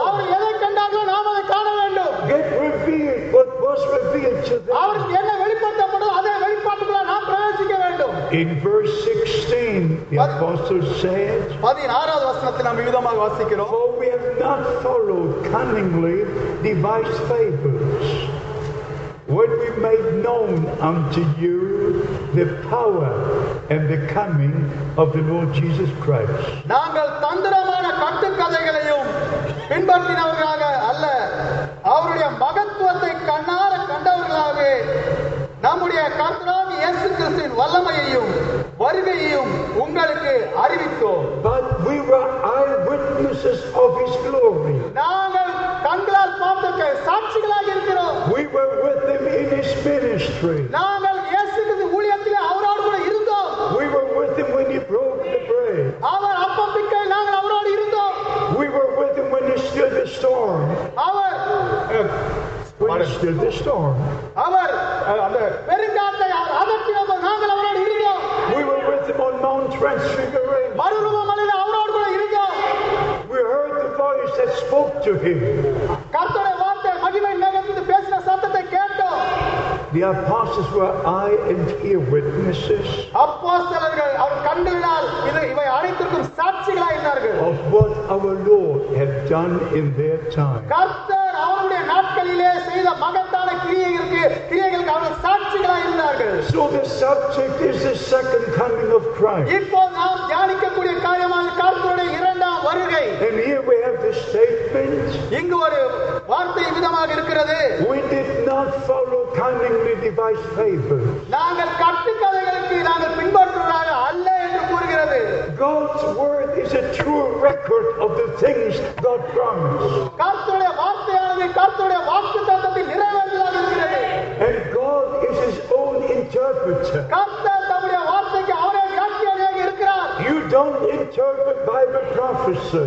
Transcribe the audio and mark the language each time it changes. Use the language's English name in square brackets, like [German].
[Tamil] அவர் எதை கண்டார்களோ நாம் அதை காண வேண்டும். [English] Get revealed what was revealed to them. [Tamil] அவர் என்ன வெளிப்படுத்தப்பட்டதோ அதே வெளிப்பாட்டுக்குள்ள நாம் பிரவேசிக்க வேண்டும். [English] In verse 16, the apostle said, [Tamil] 16வது வசனத்தை நாம் இவ்விதமாக வாசிக்கிறோம். [English] For we have not followed cunningly devised fables. when we made known unto you the power and the coming of the Lord Jesus Christ. [Tamil] நாங்கள் தந்திரமான கட்டுக்கதைகளையும் பின்பற்றினவர்களாக அல்ல, அவருடைய மகத்துவத்தை கண்ணார கண்டவர்களாக நம்முடைய கர்த்தராகிய இயேசு கிறிஸ்துவின் வல்லமையையும் வருகையையும் உங்களுக்கு அறிவித்தோம். [English] But we were eyewitnesses of his glory. [Tamil] நாங்கள் கண்களால் பார்த்த சாட்சிகளாக இருக்கிறோம். [English] We were with him in his ministry. [Tamil] நாங்கள் இயேசுவின் ஊழியத்தில் அவரோடு கூட இருந்தோம். [English] We were with him when he broke the bread. [Tamil] அவர் அப்பம் பிக்கை நாங்கள் அவரோடு இருந்தோம். [English] We were with him when he stilled the storm. [Tamil] Our [English] stilled the storm. [Tamil] அவர் பெருங்காற்றை அதட்டியது நாங்கள் அவரோடு இருந்தோம். [English] We were with him on Mount Transfiguration. [Tamil] மறுரூபமலையில் அவரோடு கூட இருந்தோம். [English] We heard the voice that spoke to him. [Tamil] கர்த்தருடைய வார்த்தை மகிமை மேகத்தில் பேசின சத்தத்தை கேட்டோம். [English] The apostles were eye and ear witnesses. [Tamil] அப்போஸ்தலர்கள் அவர் கண்களால் இவை அனைத்துக்கும் சாட்சிகளாக இருந்தார்கள். [English] Of what our Lord had done in their time. [Tamil] கர்த்தர் அவருடைய நாட்களிலே செய்த மகத்தான கிரியைகளுக்கு அவர்கள் சாட்சிகளாக இருந்தார்கள். [English] So the subject is the second coming of Christ. [Tamil] இப்போ நாம் தியானிக்கக்கூடிய காரியமான கர்த்தருடைய இரண்டாம் வருகை. [English] And here we have the statement. [Tamil] இங்கு ஒரு வார்த்தை விதமாக இருக்கிறது. [English] We did not follow cunningly devised fables. [Tamil] நாங்கள் கட்டுக்கதைகளுக்கு நாங்கள் பின்பற்றுவதாக அல்ல என்று கூறுகிறது. [English] God's word is a true record of the things God promised. [Tamil] கர்த்தருடைய வார்த்தையானது கர்த்தருடைய வாக்குத்தத்தத்தை நிறைவேற்றுவதாக இருக்கிறது. [English] And God is his own interpreter. [Tamil] கர்த்தர் தம்முடைய வார்த்தைக்கு அவரே சாட்சியாக இருக்கிறார். [English] You don't interpret Bible prophecy.